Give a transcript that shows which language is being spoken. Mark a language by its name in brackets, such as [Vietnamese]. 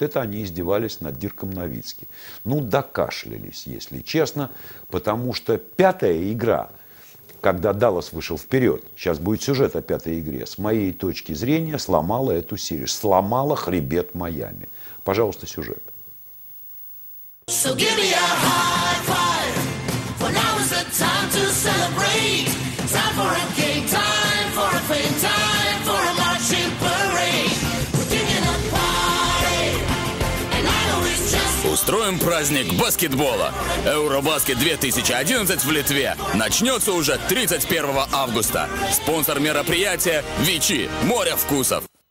[Russian] Это они издевались над Дирком Новицки. Ну, докашлялись, если честно, потому что пятая игра, когда Даллас вышел вперед, сейчас будет сюжет о пятой игре, с моей точки зрения сломала эту серию, сломала хребет Майами. Пожалуйста, сюжет. [English] So give me a high five, for now is the time to celebrate. Time for a game, time for a fame, time for a marching parade. We're thinking a party, and I know it's just... [Russian] Устроим праздник баскетбола. Евробаскет 2011 в Литве начнется уже 31 августа. Спонсор мероприятия ВИЧИ. Море вкусов.